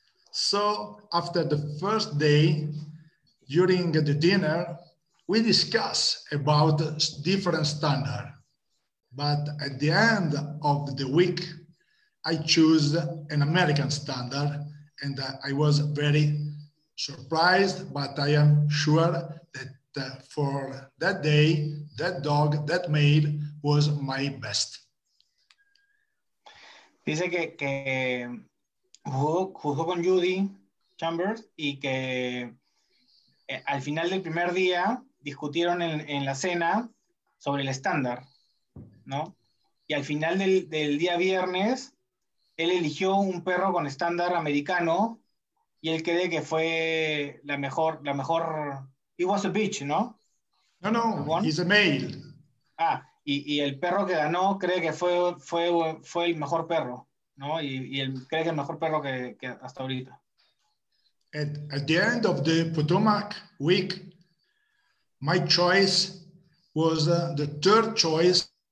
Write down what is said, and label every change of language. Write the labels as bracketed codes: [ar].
[en] So after the first day, during the dinner, we discuss about different standard, but at the end of the week, I choose an American standard, and I was very surprised, but I am sure that for that day, that dog, that male was my best. [es] Dice que jugó con Judy Chambers y que al final del primer día discutieron en la cena sobre el estándar, ¿no? Y al final del día viernes, él eligió un perro con estándar americano y él cree que fue la mejor... [en] It was a bitch, [es] ¿no? [en] No, he's a male. [es] Ah, y el perro que ganó cree que fue el mejor perro, ¿no? Y él cree que el mejor perro que hasta ahorita. [en] At the end of the Potomac week, my choice was the third choice.